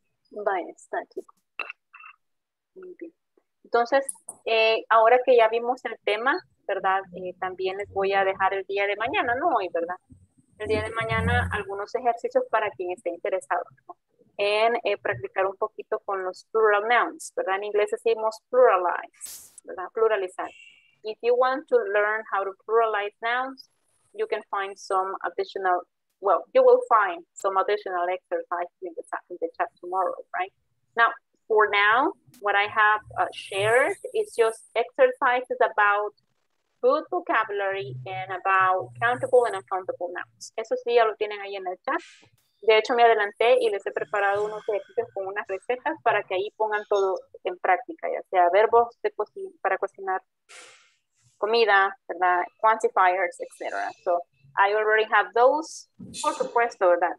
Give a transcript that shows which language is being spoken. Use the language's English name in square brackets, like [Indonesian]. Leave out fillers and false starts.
[Spanish] Vaya, está, chicos. Muy bien. Entonces, ahora que ya vimos el tema, ¿verdad? También les voy a dejar el día de mañana, no hoy, ¿verdad? El día de mañana algunos ejercicios para quien esté interesado, ¿no? En practicar un poquito con los plural nouns, ¿verdad? En inglés decimos pluralize, ¿verdad? Pluralizar. [English] If you want to learn how to pluralize nouns, you can find some additional, well, you will find some additional exercises in the chat tomorrow, right? Now, for now, what I have shared is just exercises about good vocabulary and about countable and uncountable nouns. [Spanish] Eso sí, ya lo tienen ahí en el chat. De hecho, me adelanté y les he preparado unos ejercicios con unas recetas para que ahí pongan todo en práctica, ya sea verbos de para cocinar, comida, ¿verdad? [English] Quantifiers, etc. So, I already have those, [Spanish] por supuesto, ¿verdad?